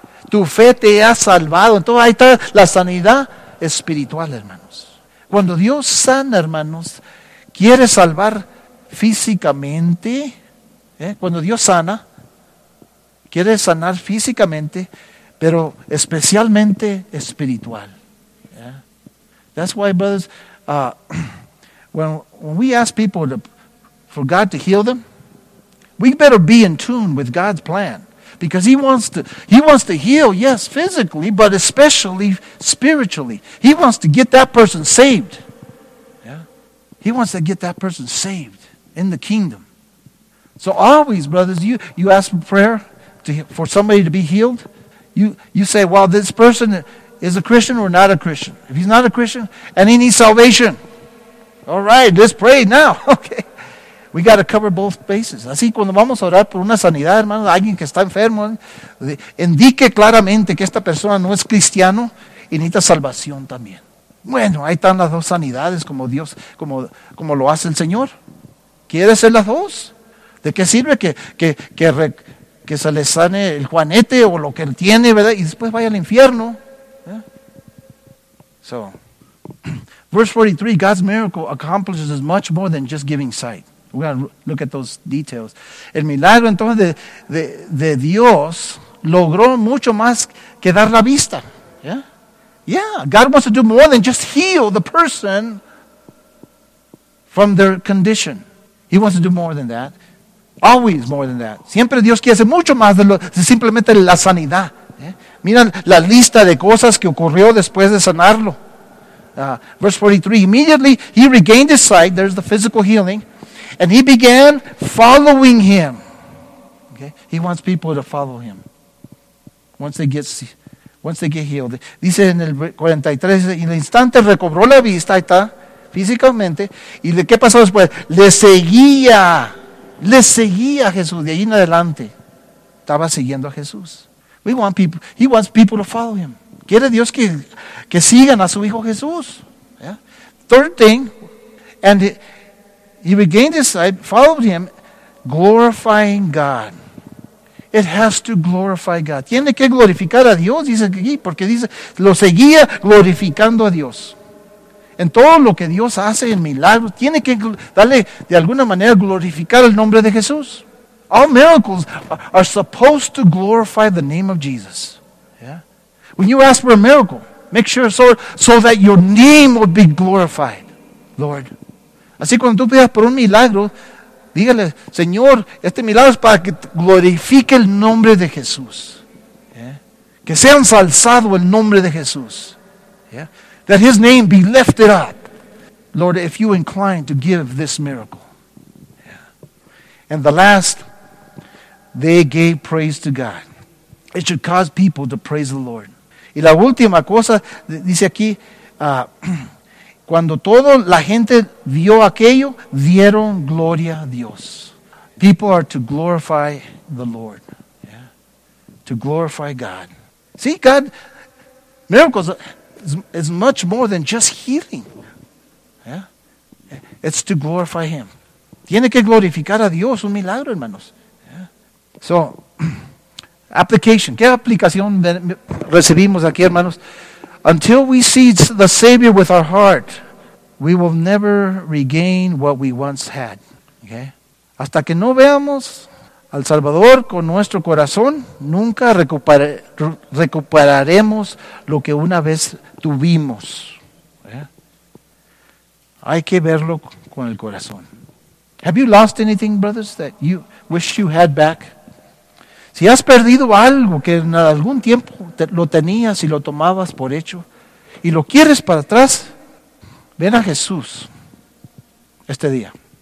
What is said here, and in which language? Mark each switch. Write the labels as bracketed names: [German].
[Spanish] Tu fe te ha salvado. Entonces ahí está la sanidad espiritual, hermanos. Cuando Dios sana, hermanos, quiere salvar físicamente, ¿eh? Cuando Dios sana, quiere sanar físicamente, pero especialmente espiritual. [English] Yeah. That's why, brothers, when we ask people for God to heal them, we better be in tune with God's plan. Because he wants to heal, yes, physically, but especially spiritually. He wants to get that person saved. Yeah. He wants to get that person saved in the kingdom. So always, brothers, you ask for prayer for somebody to be healed. You say, well, this person is a Christian or not a Christian. If he's not a Christian, and he needs salvation. All right, let's pray now. Okay. We got to cover both bases. [Spanish] Así, cuando vamos a orar por una sanidad, hermano, alguien que está enfermo, indique claramente que esta persona no es cristiano y necesita salvación también. Bueno, ahí están las dos sanidades como Dios, como lo hace el Señor. ¿Quiere ser las dos? ¿De qué sirve que se le sane el juanete o lo que él tiene, ¿verdad? Y después vaya al infierno. [English] Yeah. So, verse 43, God's miracle accomplishes much more than just giving sight. We're going to look at those details. [Spanish] El milagro entonces de Dios logró mucho más que dar la vista. Yeah. [English] Yeah, God wants to do more than just heal the person from their condition. He wants to do more than that. Always more than that. [Spanish] Siempre Dios quiere hacer mucho más de simplemente la sanidad. Mira la lista de cosas que ocurrió después de sanarlo. [English] Verse 43, immediately he regained his sight, there's the physical healing, and he began following him. Okay? He wants people to follow him. Once they get healed. [Spanish] Dice en el 43, en el instante recobró la vista, ahí está, físicamente, y de qué pasó después, le seguía a Jesús, de ahí en adelante, estaba siguiendo a Jesús. [English] He wants people to follow him. [Spanish] Quiere Dios que sigan a su hijo Jesús. [English] Yeah. Third thing, and he regained his sight, followed him, glorifying God. It has to glorify God. [Spanish] Tiene que glorificar a Dios, dice aquí, porque dice, lo seguía glorificando a Dios. En todo lo que Dios hace en milagros, tiene que darle de alguna manera glorificar el nombre de Jesús. [English] All miracles are supposed to glorify the name of Jesus. Yeah. When you ask for a miracle, make sure so that your name will be glorified, Lord. [Spanish] Así cuando tú pidas por un milagro, dígale, Señor, este milagro es para que glorifique el nombre de Jesús. [English] Yeah. [Spanish] Que sea ensalzado el nombre de Jesús. Yeah. [English] That his name be lifted up. Lord, if you incline to give this miracle. Yeah. And the last, they gave praise to God. It should cause people to praise the Lord. [Spanish] Y la última cosa, dice aquí, cuando toda la gente vio aquello, dieron gloria a Dios. [English] People are to glorify the Lord. Yeah. To glorify God. See, God, miracles is much more than just healing. [Spanish] Yeah. [English] It's to glorify Him. [Spanish] Tiene que glorificar a Dios, un milagro, hermanos. [English] So, application. [Spanish] ¿Qué aplicación recibimos aquí, hermanos? [English] Until we see the Savior with our heart, we will never regain what we once had. Okay? [Spanish] Hasta que no veamos al Salvador con nuestro corazón, nunca recuperaremos lo que una vez tuvimos. [English] Yeah? [Spanish] Hay que verlo con el corazón. [English] Have you lost anything, brothers, that you wish you had back? [Spanish] Si has perdido algo que en algún tiempo lo tenías y lo tomabas por hecho y lo quieres para atrás, ven a Jesús este día.